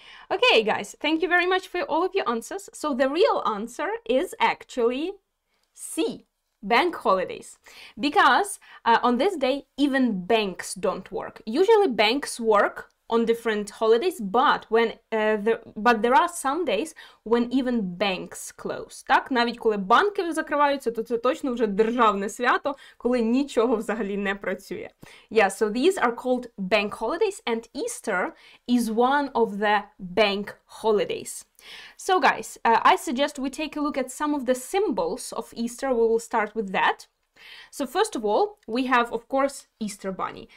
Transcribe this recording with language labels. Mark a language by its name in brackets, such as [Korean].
[English] Okay, guys, thank you very much for all of your answers. So the real answer is actually C, bank holidays. Because on this day, even banks don't work. Usually banks work on different holidays, but when there are some days when even banks close. [Ukrainian] Так, навіть коли банки закриваються, то це точно вже державне свято, коли нічого взагалі не працює. [English] Yeah, so these are called bank holidays, and Easter is one of the bank holidays. So guys, I suggest we take a look at some of the symbols of Easter. We will start with that. So first of all, we have, of course, Easter bunny.